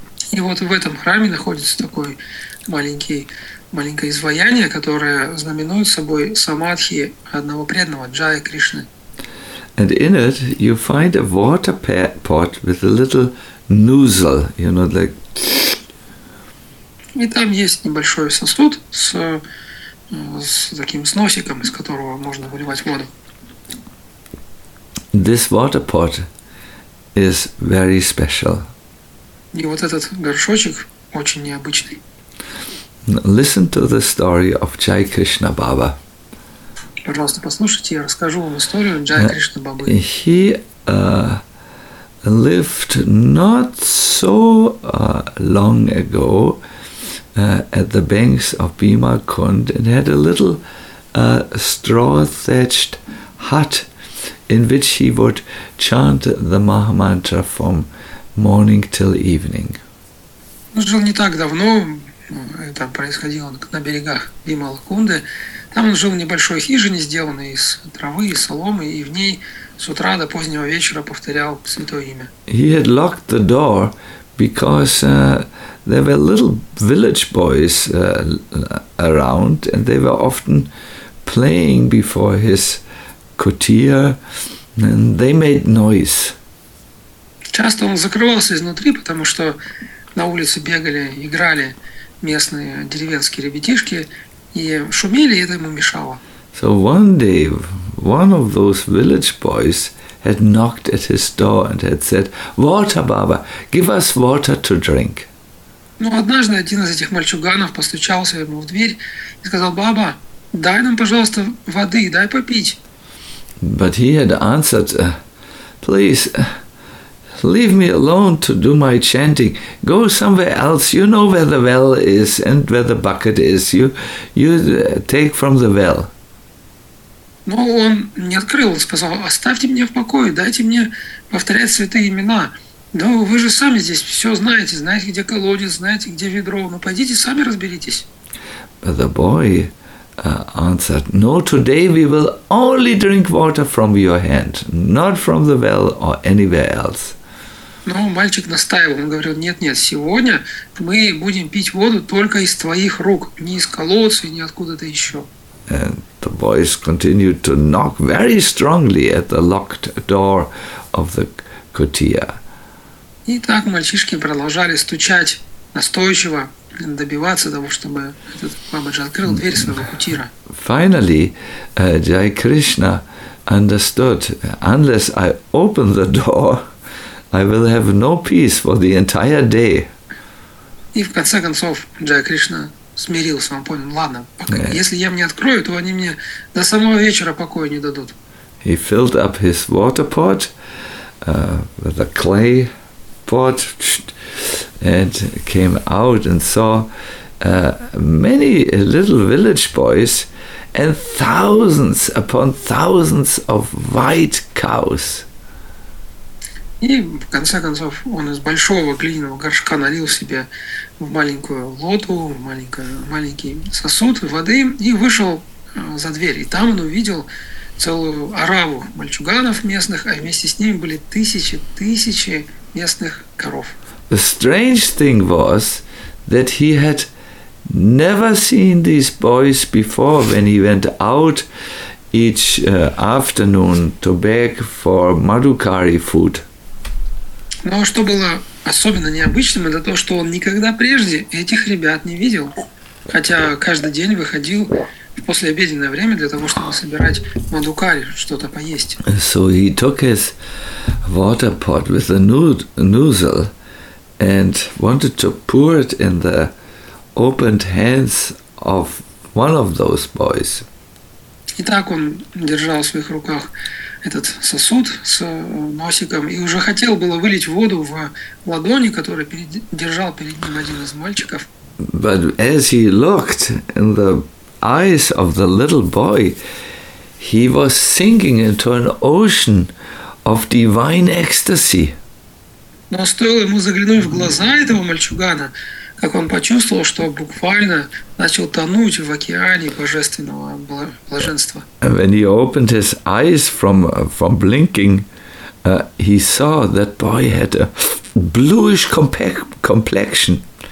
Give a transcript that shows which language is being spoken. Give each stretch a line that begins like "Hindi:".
Russian: И вот в этом храме находится такой маленькое изваяние, которое знаменует собой самадхи одного преданного Джая Кришны.
English: And in it you find a water pot with a little nozzle, you know, like.
Russian: И там есть небольшой сосуд с таким носиком, из которого можно выливать воду.
English: This water pot is very special.
Russian: И вот этот горшочек очень необычный.
English: Listen to the story of Jai Krishna Baba.
Russian: Пожалуйста, послушайте, я расскажу вам историю Джай Кришна Бабы.
English: He lived not so long ago at the banks of Bimalkund and had a little straw-thatched hut in which he would chant the Maha Mantra from morning till evening.
Russian: Он жил не так давно. Это происходило на берегах Бималакунды. Там он жил в небольшой хижине, сделанной из травы и соломы, и в ней с утра до позднего вечера повторял святое имя.
English: He had locked the door because there were little village boys around, and they were often playing before his kutia, and they made noise.
Russian: Часто он закрывался изнутри, потому что на улице бегали, играли местные деревенские ребятишки и шумели, и это ему мешало.
English: So one day one of those village boys had knocked at his door and had said, "Water, Baba, give us water to drink."
Russian: Но однажды один из этих мальчуганов постучался ему в дверь и сказал, "Баба, дай нам, пожалуйста, воды, дай попить."
English: But he had answered, "Please, leave me alone to do my chanting. Go somewhere else. You know where the well is and where the bucket is. You take from the well."
Russian: Но он не открыл, сказал, оставьте меня в покое, дайте мне повторять святые имена. Но вы же сами здесь все знаете, знаете, где колодец, знаете, где ведро. Ну, пойдите, сами разберитесь.
English: But the boy answered, "No, today we will only drink water from your hand, not from the well or anywhere else."
Russian: Но мальчик настаивал, он говорил, нет, сегодня мы будем пить воду только из твоих рук, не из колодца и не откуда-то еще.
English: And the boys continued to knock very strongly at the locked door of the kutia.
Russian: И так мальчишки продолжали стучать настойчиво, добиваться того, чтобы этот бабаджи открыл дверь своего кутира.
English: Finally, Jai Krishna understood, unless I open the door, I will have no peace for the entire day.
Russian: И в конце концов Джай Кришна смирился, он понял, ладно, пока, если я мне открою, то они мне до самого вечера покоя не дадут.
English: He filled up his water pot with a clay pot and came out and saw many little village boys and thousands upon thousands of white cows.
Russian: И в конце концов он из большого глиняного горшка налил себе в маленькую лоту, в маленький сосуд воды и вышел за дверь. И там он увидел целую ораву мальчуганов местных, а вместе с ними были тысячи местных коров.
English: The strange thing was that he had never seen these boys before when he went out each afternoon to beg for madukari food.
Russian: Но что было особенно необычным, это то, что он никогда прежде этих ребят не видел. Хотя каждый день выходил в послеобеденное время для того, чтобы собирать мадукари, что-то поесть.
English: So he took his water pot with a noozle and wanted to pour it in the opened hands of one of those boys.
Russian: И так он держал в своих руках этот сосуд с носиком и уже хотел было вылить воду в ладони, которую держал перед ним один из мальчиков.
English: But as he looked in the eyes of the little boy, he was sinking into an ocean of divine ecstasy.
Russian: Но стоило ему заглянуть в глаза этого мальчугана, как он почувствовал, что буквально начал тонуть в океане божественного блаженства.
English: And when he opened his eyes from blinking, he saw that boy had a bluish complexion.